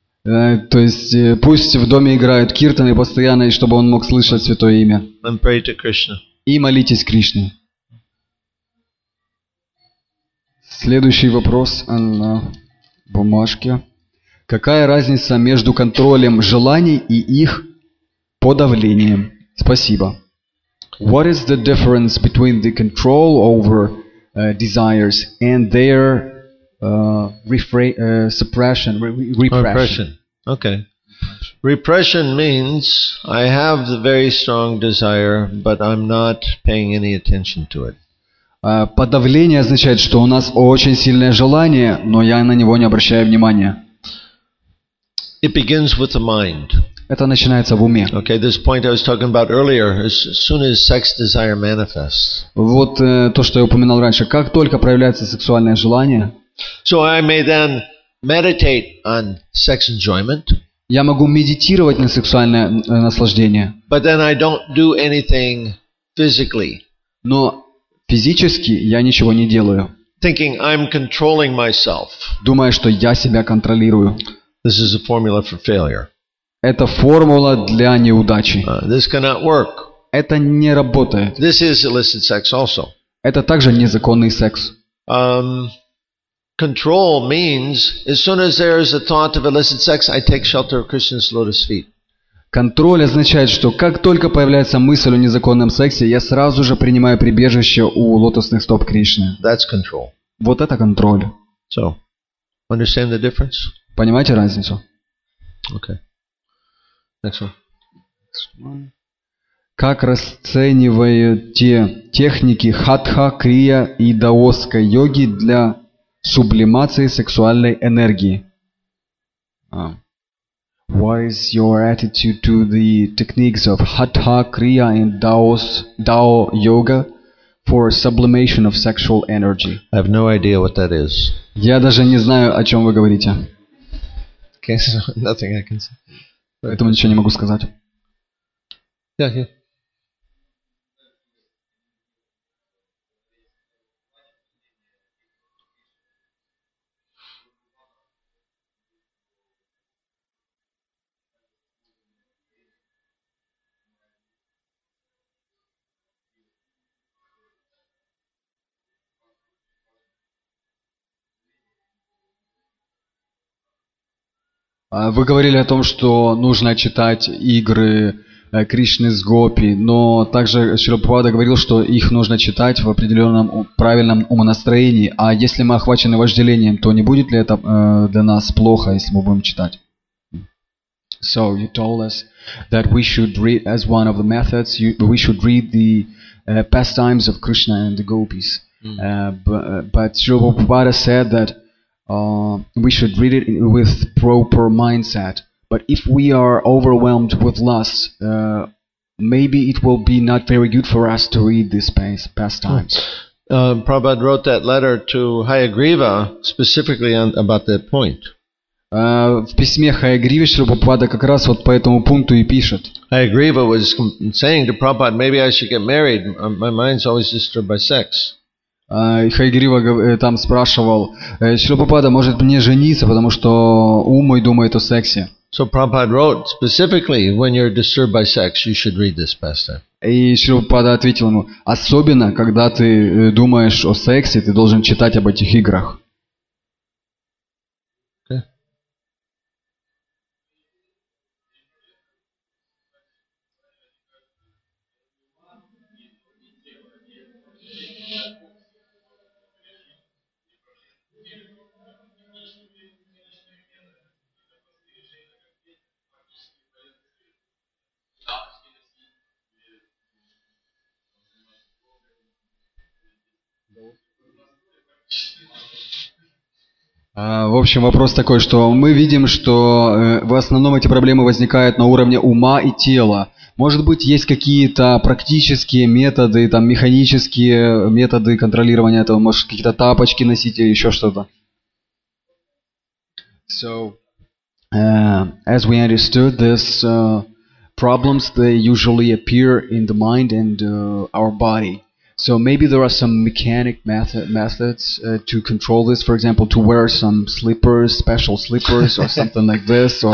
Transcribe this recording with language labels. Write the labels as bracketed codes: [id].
[ru] То есть пусть в доме играют киртаны постоянно, чтобы он мог слышать святое имя. [en] And pray to Krishna. [ru] И молитесь Кришне. Следующий вопрос на бумажке. Какая разница между контролем желаний и их подавлением? Спасибо. [en] What is the difference between the control over desires and their repression? Okay. Repression means I have the very strong desire, but I'm not paying any attention to it. [ru] Подавление означает, что у нас очень сильное желание, но я на него не обращаю внимания. [en] It begins with the mind. [ru] Это начинается в уме. [en] Okay, this point I was talking about earlier, as soon as sex desire manifests. [ru] Вот то, что я упоминал раньше. Как только проявляется сексуальное желание, [en] so I may then meditate on sex enjoyment. [ru] Я могу медитировать на сексуальное наслаждение. [en] But then I don't do anything physically. [ru] Но физически я ничего не делаю. [en] Thinking I'm controlling myself. [ru] Думая, что я себя контролирую. [en] This is a formula for failure. [ru] Это формула для неудачи. [en] This cannot work. [ru] Это не работает. [en] This is illicit sex also. [ru] Это также незаконный секс. [en] Control means as soon as there is a thought of illicit sex, I take shelter of Krishna's lotus feet. [ru] Контроль означает, что как только появляется мысль о незаконном сексе, я сразу же принимаю прибежище у лотосных стоп Кришны. [en] That's control. [ru] Вот это контроль. [en] So, understand the difference? [ru] Понимаете разницу? [en] Okay. Next one. [ru] Как расценивают те техники хатха, крия и даосской йоги для сублимации сексуальной энергии? [en] What is your attitude to the techniques of hatha, kriya and dao yoga for sublimation of sexual energy? I have no idea what that is. [ru] Я даже не знаю, о чем вы говорите. [en] Okay, so nothing I can say. [ru] Поэтому ничего не могу сказать. [en] Yeah, yeah. [ru] Вы говорили о том, что нужно читать игры Кришны с Гопи, но также Шрила Прабхупада говорил, что их нужно читать в определенном правильном умонастроении. А если мы охвачены вожделением, то не будет ли это для нас плохо, если мы будем читать? [en] So you told us that we should read as one of the methods, we should read the pastimes of Krishna and the Gopis. But Shrila Prabhupada said that we should read it with proper mindset. But if we are overwhelmed with lust, maybe it will be not very good for us to read this pastimes. Prabhupada wrote that letter to Hayagriva specifically about that point. [ru] В письме Хаягриве Шрила Прабхупада как раз вот по этому пункту и пишет. [en] Hayagriva was saying to Prabhupada, maybe I should get married. My mind's always disturbed by sex. [ru] Хайгрива там спрашивал: Шрила Прабхупада, может мне жениться, потому что ум мой думает о сексе. [en] So Prabhupada wrote specifically, when you're disturbed by sex, you should read this pastime. [ru] И Шрила Прабхупада ответил ему: особенно когда ты думаешь о сексе, ты должен читать об этих играх. [en] Thank you. [ru] В общем, вопрос такой, что мы видим, что в основном эти проблемы возникают на уровне ума и тела. Может быть, есть какие-то практические методы, там, механические методы контролирования этого? Может, какие-то тапочки носить или еще что-то? [en] So, as we understood this, problems, they usually appear in the mind and our body. So maybe there are some mechanic methods to control this. For example, to wear some slippers, special slippers, or something like this. Or